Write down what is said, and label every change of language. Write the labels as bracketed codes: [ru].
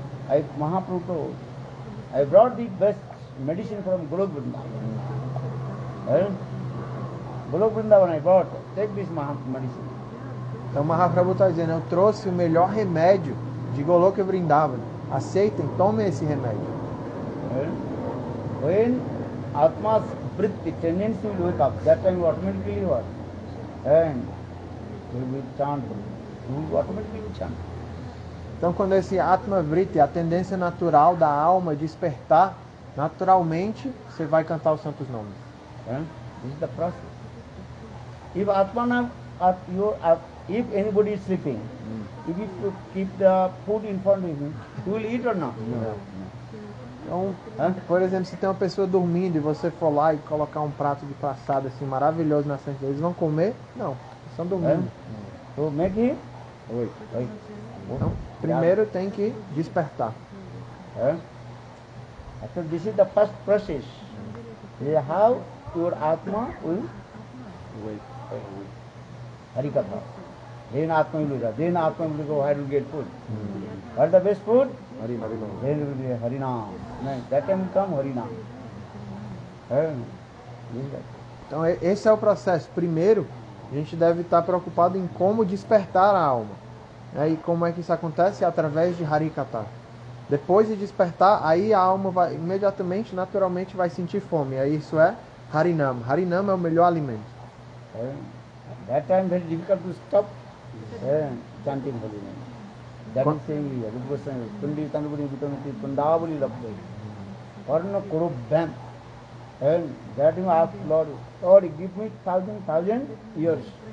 [en] I Mahaprabhu, I brought the best medicine from Golok Vrindavan. Golok Vrindavan I brought, take this medicine. [pt] Então Mahaprabhu está dizendo, eu trouxe o melhor remédio de Golok Vrindavan. Aceitem, tomem esse remédio. [en] When Atma's vritti tendency will wake up, that time automatically what? And we will chant, you will automatically chant. [pt] Então quando esse Atma Vritti, a tendência natural da alma despertar, naturalmente você vai cantar os santos nomes. [en] This is the process. If Atmana, if anybody is sleeping, if you keep the food in front of him, you will eat or not? [pt] Então, por exemplo, se tem uma pessoa dormindo e você for lá e colocar um prato de passada assim maravilhoso na frente, eles vão comer? Não, estão dormindo. [en] So make him? Oi. Oi. [pt] Então, primeiro tem que despertar. [en] So this is the first process. This is how your atma will wake. Harikatha. Then atma will wake. Then atma will go, where will get food? What is the best food? Harinam. Then will be Harinam. That time will come Harinam. [pt] Então, esse é o processo. Primeiro, a gente deve estar preocupado em como despertar a alma. E como é que isso acontece? Através de Harikatha. Depois de despertar, aí a alma vai imediatamente, naturalmente, vai sentir fome. Aí isso é Harinam. Harinam é o melhor alimento. É. [en] That time very difficult to stop chanting Harinam. That is saying here. Rupa Goswami, Pundi Tandupuri Vitamati Pundavali Lapta. Parna Kuru Bham. And that time I ask Lord, Lord, give me thousand years.